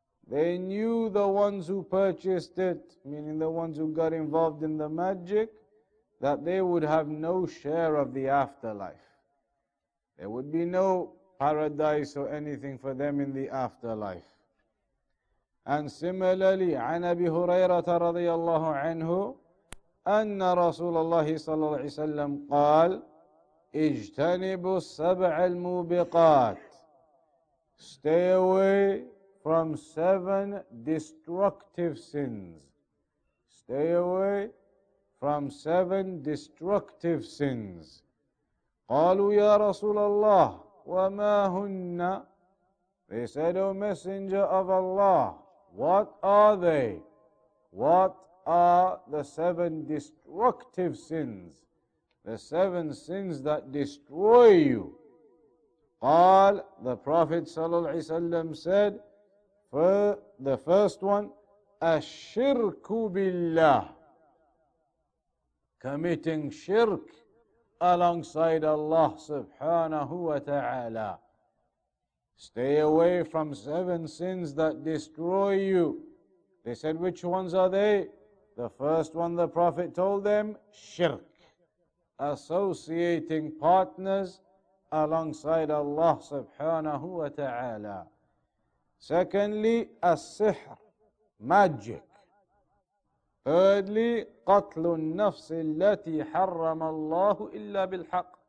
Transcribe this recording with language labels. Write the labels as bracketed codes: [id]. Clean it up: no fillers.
[en] They knew the ones who purchased it, meaning the ones who got involved in the magic, that they would have no share of the afterlife. There would be no paradise or anything for them in the afterlife. And similarly, [ar] عن أبي هريرة رضي الله عنه أن رسول الله صلى الله عليه وسلم قال اجتنبوا السبع الموبقات. [en] Stay away from seven destructive sins. Stay away from seven destructive sins. [ar] قالوا يا رسول الله وما هن. [en] They said, O Messenger of Allah, what are they? What are the seven destructive sins? The seven sins that destroy you. قال, the Prophet [ar] صلى الله عليه وسلم [en] said, for the first one, [ar] الشرك بالله, [en] committing shirk alongside Allah subhanahu wa ta'ala. Stay away from seven sins that destroy you. They said, which ones are they? The first one the Prophet told them, shirk, associating partners alongside Allah subhanahu wa ta'ala. Secondly, as-sihr, magic. [ar] Thirdly, قتل النفس التي حرم الله إلا بالحق.